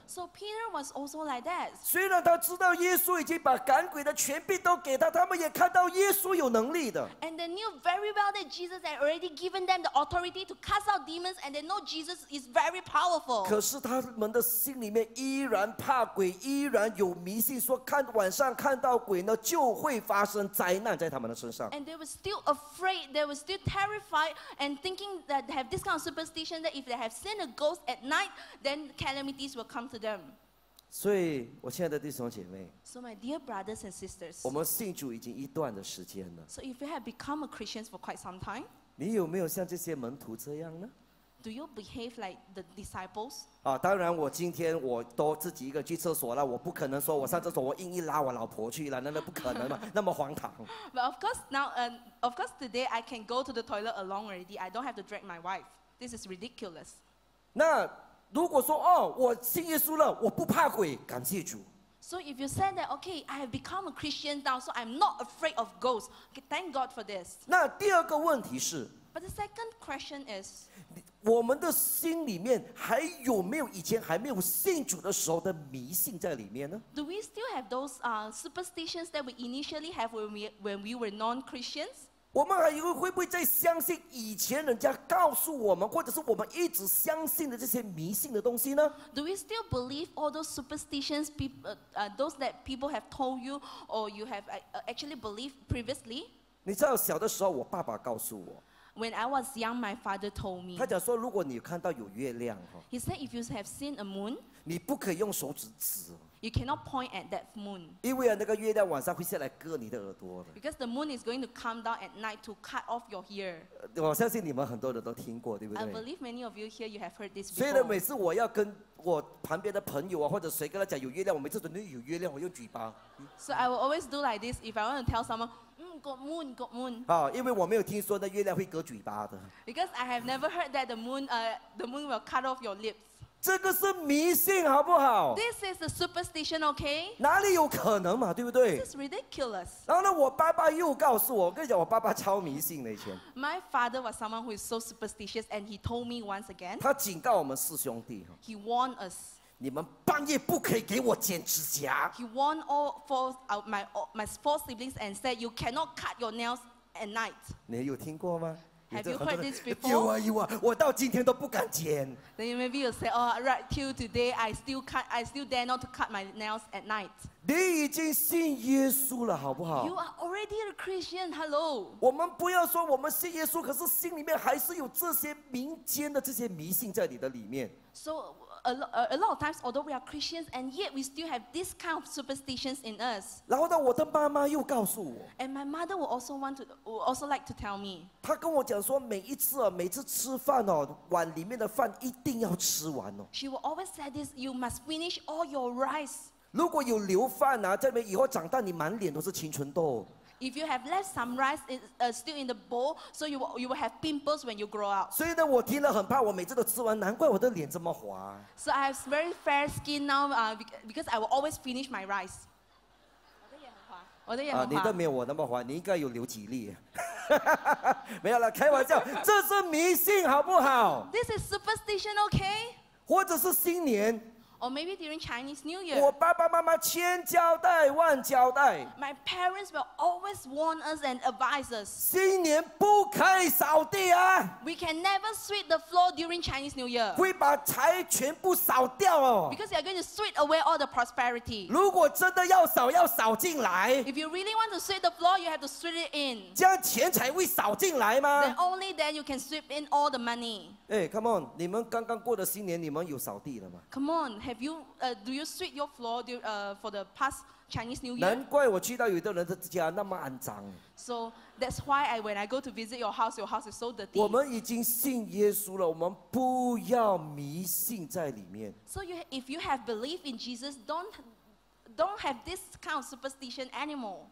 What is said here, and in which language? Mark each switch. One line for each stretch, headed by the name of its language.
English: So Peter was also like that.
Chinese: 虽然他知道耶稣已经把赶鬼的权柄都给他，他们也看到耶稣有能力的。
English: And they knew very well that Jesus had already given them the authority to cast out demons, and they know Jesus is very powerful.
Chinese: 可是他们的心里面依然怕鬼，依然有迷信，说看晚上看到鬼呢，就会发生灾难在他们的身上。
English: And they were still afraid. They were still terrified and thinking. That have this kind of superstition that if they have seen a ghost at night, then calamities will come to them.
Chinese: 所以，我亲爱的弟兄姐妹。
English: So my dear brothers and sisters.
Chinese: 我们信主已经一段的时间了。
English: So if you have become a Christian for quite some time.
Chinese: 你有没有像这些门徒这样呢
English: ？Do you behave like the disciples?
Chinese: 啊，当然，我今天我都自己一个去厕所了，我不可能说我上厕所我硬一拉我老婆去了，那不可能嘛，那么荒唐。
English: But of course now, Of course, today I can go to the toilet alone already. I don't have to drag my wife. This is ridiculous.
Chinese: 那如果说哦，我信耶稣了，我不怕鬼，感谢主。
English: So if you say that, okay, I have become a Christian now, so I'm not afraid of ghosts. Thank God for this.
Chinese: 那第二个问题是
English: ，But the second question is，
Chinese: 我们的心里面还有没有以前还没有信主的时候的迷信在里面呢
English: ？Do we still have those superstitions that we initially have when we were non-Christians？
Chinese: 我们还会不会再相信以前人家告诉我们，或者是我们一直相信的这些迷信的东西呢
English: ？Do we still believe all those superstitions, those that people have told you, or you have actually believed previously？
Chinese: 你知道小的时候，我爸爸告诉我。
English: When I was young, my father told me.
Chinese: 他讲说，如果你看到有月亮
English: He said, if you have seen a moon,
Chinese: 你不可以用手指指。
English: You cannot point at that moon.
Chinese: 因为那个月亮晚上会下来割你的耳朵的。
English: Because the moon is going to come down at night to cut off your ear.
Chinese: 我相信你们很多人都听过，对不对
English: ？I believe many of you here you have heard this.
Chinese: 所以呢，每次我要跟我旁边的朋友啊，或者谁跟他讲有月亮，我每次都有月亮，我用嘴巴。
English: So I will always do like this if I want to tell someone. Got moon, got moon.
Chinese: 啊，因为我没有听说那月亮会割嘴巴的。
English: Because I have never heard that the moon will cut off your lips.
Chinese: 这个是迷信，好不好
English: ？This is a superstition, okay?
Chinese: 哪里有可能嘛，对不对
English: ？This is ridiculous.
Chinese: 然后呢，我爸爸又告诉我，我跟你讲，我爸爸超迷信的以前。
English: My father was someone who is so superstitious, and he told me once again.
Chinese: 他警告我们四兄弟。
English: He warned us.
Chinese: 你们半夜不可以给我剪指甲。
English: He warned all four my four siblings and said you cannot cut your nails at night.
Chinese: 你有听过吗
English: ？Have you heard this before?
Chinese: 有啊有啊，我到今天都不敢剪。
English: Then maybe you say, oh, right till today, I still dare not to cut my nails at night.
Chinese: 你已经信耶稣了，好不好
English: ？You are already a Christian. Hello.
Chinese: 我们不要说我们信耶稣，可是心里面还是有这些民间的这些迷信在你的里面。
English: So. A lot of times, although we are Christians, and yet we still have this kind of superstitions in us.
Chinese: 然后呢，我的妈妈又告诉我。
English: And my mother would also like to tell me.
Chinese: 她跟我讲说，每一次啊，每次吃饭哦，碗里面的饭一定要吃完哦。
English: She will always say this: you must finish all your rice.
Chinese: 如果有留饭啊，这边以后长大你满脸都是青春痘。
English: If you have left some rice still in the bowl, so you will have pimples when you grow up.
Chinese: 所以呢，我听了很怕，我每次都吃完，难怪我的脸这么滑。
English: So I have very fair skin now, because I will always finish my rice.
Chinese: 我的也很滑。你的没有我那么滑，你应该有留几粒。没有了，开玩笑，这是迷信，好不好
English: ？This is superstition, okay?
Chinese: 或者是新年。
English: Or maybe during Chinese New Year.
Chinese: 我爸爸妈妈千交代万交代,
English: My parents will always warn us and advise us.
Chinese: 新年不可以扫地啊,
English: we can never sweep the floor during Chinese New Year.
Chinese: 会把财全部扫掉哦,
English: because you are going to sweep away all the prosperity.
Chinese: 如果真的要扫, 要扫进来,
English: if you really want to sweep the floor, you have to sweep it in.
Chinese: 这样钱财会扫进来吗?
English: Then only then you can sweep in all the money. Hey, come on,
Chinese: 你们刚刚过的新年, 你们有扫地了吗?
English: Come on. Have you, do you sweep your floor do, for the past Chinese New Year?
Chinese: 难怪我去到有的人的家那么肮脏。
English: So that's why I, when I go to visit your house is so dirty.
Chinese: 我们已经信耶稣了, 我们不要迷信在里面。
English: So you, if you have belief in Jesus, don't have this kind of superstition anymore.